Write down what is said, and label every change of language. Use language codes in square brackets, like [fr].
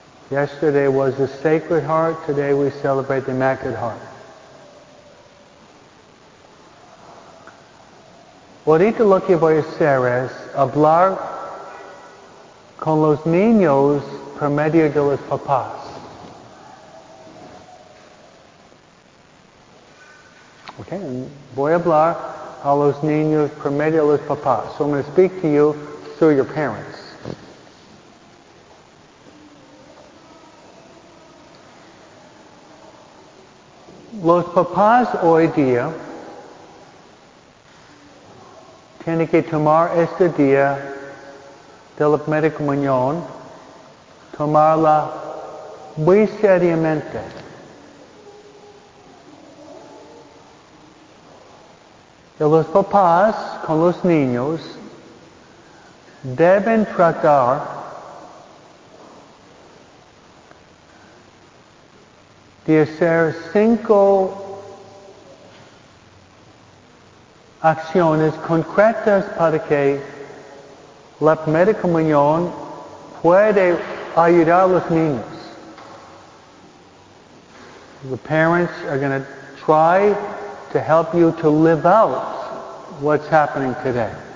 [en] Yesterday was the Sacred Heart, today we celebrate the Immaculate Heart. [es] Ahorita lo que voy a hacer es hablar con los niños por medio de los papás. Okay, voy a hablar a los niños por medio de los papás. [en] So I'm going to speak to you through your parents. [es] Los papás hoy día tienen que tomar este día de la primera comunión, tomarla muy seriamente. Y los papás con los niños deben tratar de hacer cinco acciones concretas para que la primera comunión pueda ayudar a los niños. [en] The parents are going to try to help you to live out what's happening today.